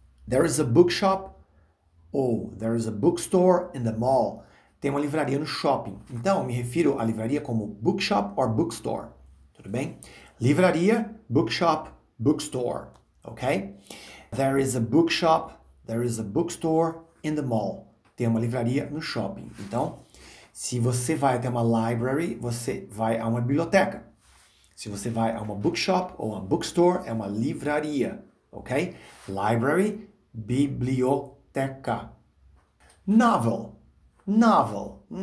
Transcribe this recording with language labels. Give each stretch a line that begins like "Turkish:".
English: There is a bookshop
Portuguese: ou
English: there is a bookstore in the mall.
Portuguese: Tem uma livraria no shopping. Então, eu me refiro à livraria como
English: bookshop or bookstore.
Portuguese: Tudo bem? Livraria, bookshop, bookstore. Ok?
English: There is a bookshop, there is a bookstore in the mall.
Portuguese: Tem uma livraria no shopping. Então, se você vai até uma library, você vai a uma biblioteca. Se você vai a uma bookshop ou a bookstore, é uma livraria. Ok? Library, biblioteca. Novel. Novel.